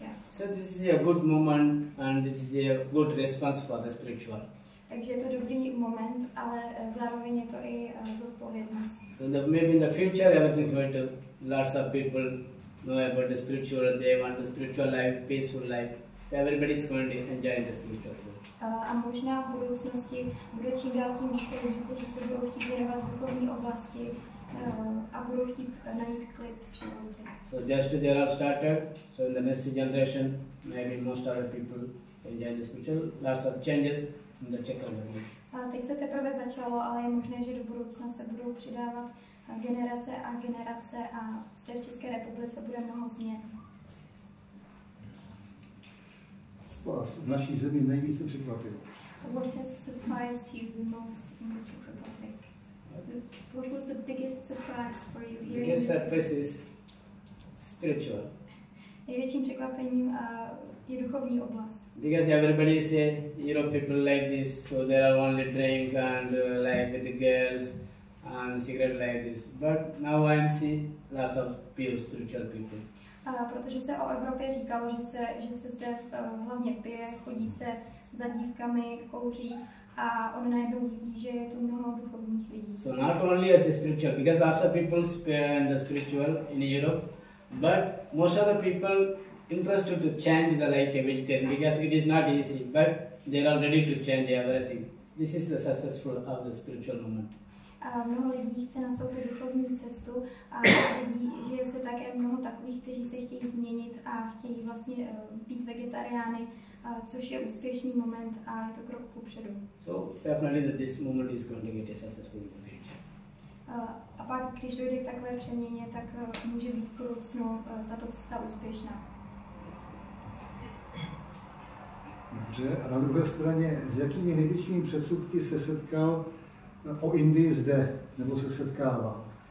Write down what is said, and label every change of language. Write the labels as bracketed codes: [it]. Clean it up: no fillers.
[en] So this is a good moment and this is a good response for the spiritual. [cs] Takže je to dobrý moment, ale zároveň je to i zodpovědnost. [en] So that maybe in the future everything going to lots of people know about the spiritual and they want the spiritual life, peaceful life. So everybody is going to enjoy the spiritual food. [cs] A možná v budoucnosti bude čím dál tím více lidí, kteří se budou chtít věnovat duchovní oblasti. A budou chtít najít klid v životě. [en] So just they are started, so in the next generation, maybe most other people enjoy the spiritual, lots of changes in the Czech Republic. [cs] A teď se teprve začalo, ale je možné, že do budoucna se budou přidávat generace a generace a zde v České republice bude mnoho změn. Co vás v naší zemi nejvíce překvapilo? [en] What has surprised you the most in the Czech Republic? What was the biggest surprise for you here? Biggest surprise is spiritual. [cs] Největším překvapením je duchovní oblast. [en] Because everybody is Europe people like this, so they are only drink and like with the girls and cigarette like this. But now I am see lots of pure spiritual people. [cs] Protože se o Evropě říkalo, že se zde hlavně pije, chodí se za dívkami, kouří. A on najednou vidí, že je tu mnoho duchovních lidí. [en] So not only as a spiritual, because lots of people spend the spiritual in Europe, but most of the people interested to change the life a vegetarian, because it is not easy, but they are ready to change everything. This is the successful of the spiritual moment. [cs] A mnoho lidí chce nastoupit duchovní cestu a vidí, že je zde také mnoho takových, kteří se chtějí změnit a chtějí vlastně být vegetariány. Což je úspěšný moment a je to krok kupředu. [en] So definitely that this moment is going to get a successful in the future. [cs] A pak, když dojde k takové přeměně, tak může být v budoucnu tato cesta úspěšná. Dobře, a na druhé straně, s jakými největšími předsudky se setkal o Indii zde, nebo se setkává?